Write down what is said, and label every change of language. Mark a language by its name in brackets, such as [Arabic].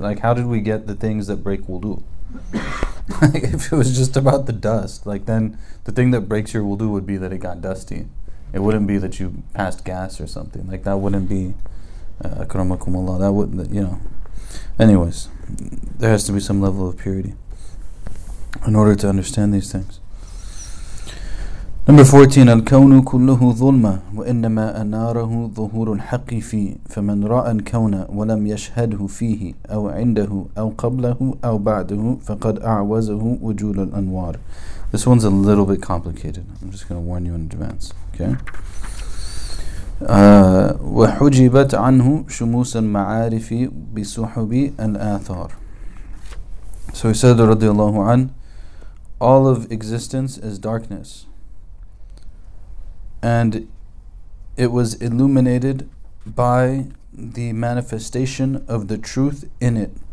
[English] Like, how did we get the things that break wudu? Like, if it was just about the dust, like, then the thing that breaks your wudu would be that it got dusty. It wouldn't be that you passed gas or something. Like, that wouldn't be, akramakumullah, that wouldn't, you know. Anyways, there has to be some level of purity in order to understand these things. Number 14, [Arabic] الكون كله ظلمة وإنما أناره ظهور الحق فيه فمن رأى الكون ولم يشهده فيه أو عنده أو قبله أو بعده فقد أعوزه وجود الأنوار. [English] This one's a little bit complicated. I'm just going to warn you in advance. Okay. [Arabic] وحجبت عنه شموس المعارف بسحب الآثار. [English] So he said, [Arabic] رضي الله عنه, [English] all of existence is darkness, and it was illuminated by the manifestation of the truth in it.